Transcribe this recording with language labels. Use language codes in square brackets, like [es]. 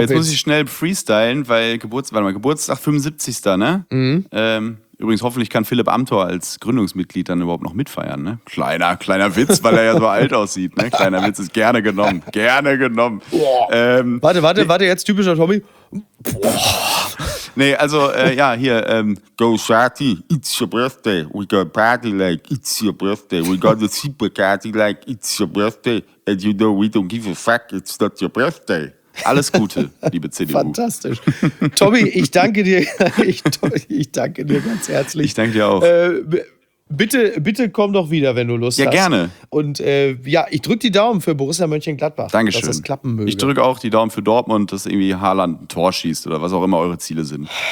[de] Jetzt muss ich schnell freestylen, weil Geburtstag 75. Ne? Mhm. Übrigens, hoffentlich kann Philipp Amthor als Gründungsmitglied dann überhaupt noch mitfeiern. Ne? Kleiner Witz, weil er ja so alt aussieht. Ne? Kleiner Witz ist gerne genommen. Gerne genommen. Warte, jetzt typischer Tommy. Nee, also ja, hier, [en] go Sati, it's your birthday, we got party like it's your birthday, we got the super party like it's your birthday, and you know we don't give a fuck, it's not your birthday. [de] Alles Gute, liebe CDU. Fantastisch. Tommy, ich danke dir, ich danke dir ganz herzlich. Ich danke dir auch. Bitte komm doch wieder, wenn du Lust hast. Ja, gerne. Und ich drücke die Daumen für Borussia Mönchengladbach. Dankeschön. Dass das klappen möge. Ich drücke auch die Daumen für Dortmund, dass irgendwie Haaland ein Tor schießt oder was auch immer eure Ziele sind.